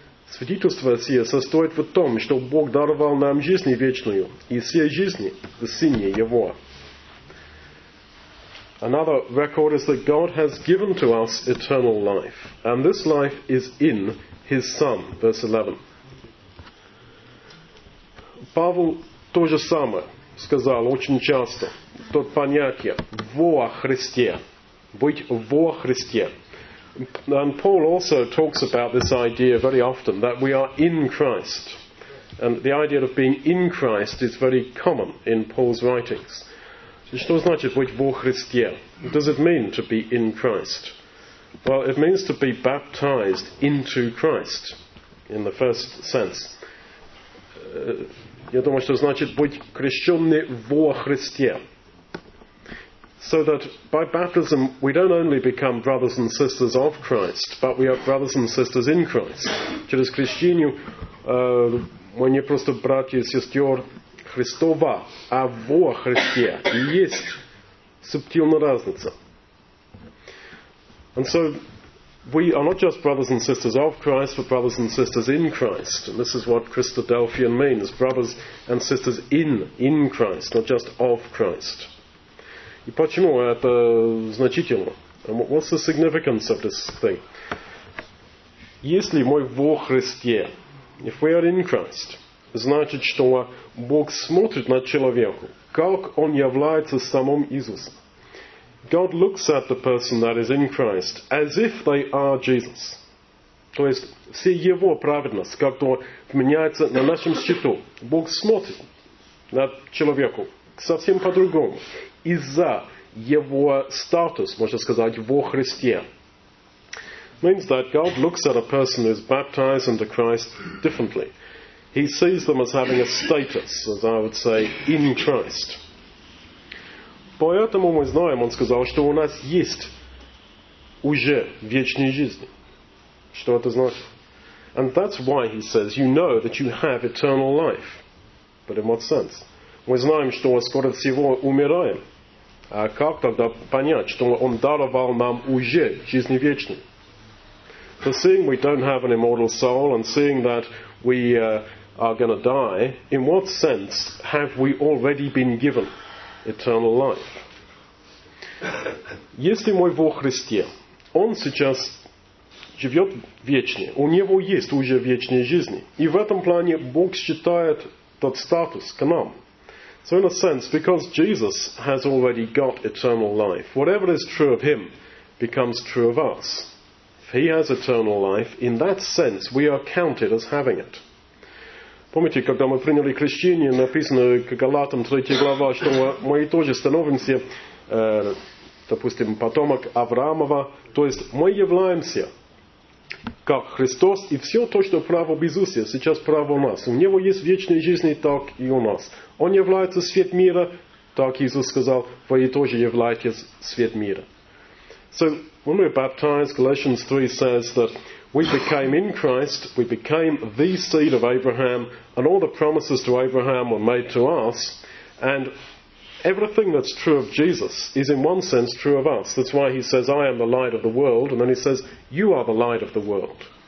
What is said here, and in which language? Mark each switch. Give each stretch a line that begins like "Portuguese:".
Russian: Свидетельство сие состоит в том, что Бог даровал нам жизнь вечную, и сия жизнь в Сыне Его.
English: Another record is that God has given to us eternal life, and this life is in His Son, verse 11.
Russian: Павел то же самое сказал очень часто. То понятие «во Христе», «быть во Христе».
English: And Paul also talks about this idea very often, that we are in Christ. And the idea of being in Christ is very common in Paul's writings.
Russian: Что значит «быть во Христе»?
English: Does it mean to be in Christ? Well, it means to be baptized into Christ, in the first sense.
Russian: Я думаю, что значит «быть крещенный во Христе».
English: So that by baptism we don't only become brothers and sisters of Christ, but we are brothers and sisters in Christ.
Russian: Через крещение мы не просто братья и сестер Христова, а во Христе. И есть субтильная разница.
English: And so we are not just brothers and sisters of Christ, but brothers and sisters in Christ. And this is what Christadelphian means, brothers and sisters in Christ, not just of Christ.
Russian: И почему это значительно?
English: And what's the significance of this thing?
Russian: Если мы во Христе,
English: if we are in Christ,
Russian: значит, что Бог смотрит на человека, как он является самим Иисусом.
English: God looks at the person that is in Christ as if they are Jesus.
Russian: То есть, все его праведность как-то меняется на нашем счету. Бог смотрит на человека совсем по-другому. Из-за его статус, можно сказать, во Христе.
English: Means that God looks at a person who is baptized into Christ differently. he sees them as having a status, as I would say, in Christ.
Russian: Поэтому мы знаем, он сказал, что у нас есть уже вечная жизнь. Что это значит?
English: And that's why he says, you know that you have eternal life. But in what sense?
Russian: Мы знаем, что мы скоро всего умираем. А как тогда понять, что он даровал нам уже жизнь вечную?
English: So seeing we don't have an immortal soul and seeing that we are going to die, in what sense have we already been given eternal life?
Russian: Если мы во Христе, он сейчас живет вечно, у него есть уже вечная жизнь. И в этом плане Бог считает тот статус к нам.
English: So in a sense, because Jesus has already got eternal life, whatever is true of him becomes true of us. If he has eternal life, in that sense, we are counted as having it.
Russian: Помните, когда мы приняли крещение, написано к Галатам 3 глава, что мы тоже становимся, допустим, потомок Авраамова. То есть мы являемся как Христос, и все то, что право в Иисусе, сейчас право у нас. У него есть вечная жизнь, так и у нас. Он является свет мира, так Иисус сказал, вы тоже являетесь свет мира.
English: So, when we're baptized, Galatians 3 says that we became in Christ, we became the seed of Abraham, and all the promises to Abraham were made to us, and everything that's true of Jesus is in one sense true of us. That's why he says, I am the light of the world, and then he says, you are the light of the world.